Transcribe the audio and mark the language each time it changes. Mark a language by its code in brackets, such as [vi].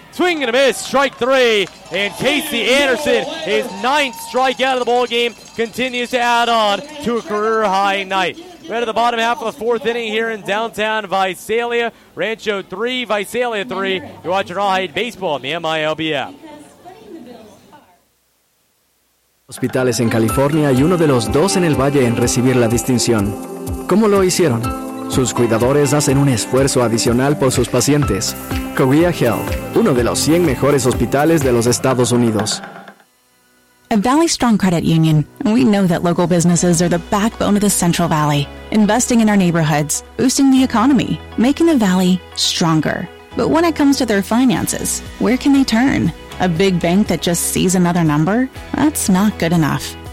[en] Swing and a miss, strike three, and Casey Anderson, his ninth strikeout of the ballgame, continues to add on to a career-high night. We're at the bottom half of the fourth inning here in downtown Visalia. Rancho 3, Visalia 3. You're watching All Height Baseball on the MILB app. [es] Hospitales en California y uno de los dos en el Valle en recibir la distinción. ¿Cómo lo hicieron? Sus cuidadores hacen un esfuerzo adicional por sus pacientes. Korea Health, uno de los 100 mejores hospitales de los Estados Unidos. [en] At Valley Strong Credit Union, we know that local businesses are the backbone of the Central Valley, investing in our neighborhoods, boosting the economy, making the Valley stronger. But when it comes to their finances, where can they turn? A big bank that just sees another number? That's not good enough.